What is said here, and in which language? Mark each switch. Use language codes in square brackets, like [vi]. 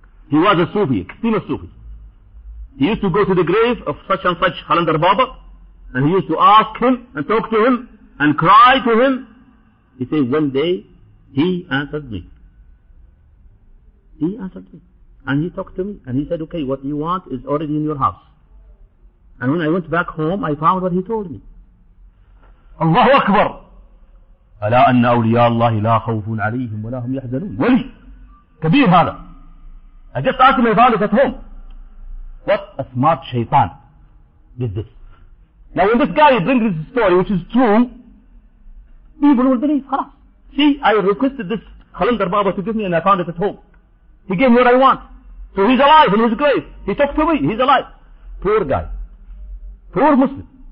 [en] He was a Sufi, extremist Sufi. He used to go to the grave of such and such Qalandar Baba, and he used to ask him, and talk to him, and cry to him. He said, one day, he answered me. He answered me. And he talked to me, and he said, okay, what you want is already in your house. And when I went back home, I found what he told me. [ar] Allahu Akbar! ألا أن أولياء الله لا خوف عليهم ولا هم يحزنون ولي كبير هذا. [en] I just asked my father at home, what a smart shaitan did this. Now when this guy brings this story which is true, people will believe. [ar] خلاص. [en] See, I requested this Qalandar Baba to give me and I found it at home. He gave me what I want. So he's alive in his grave. He talked to me. He's alive. Poor guy. Poor Muslim.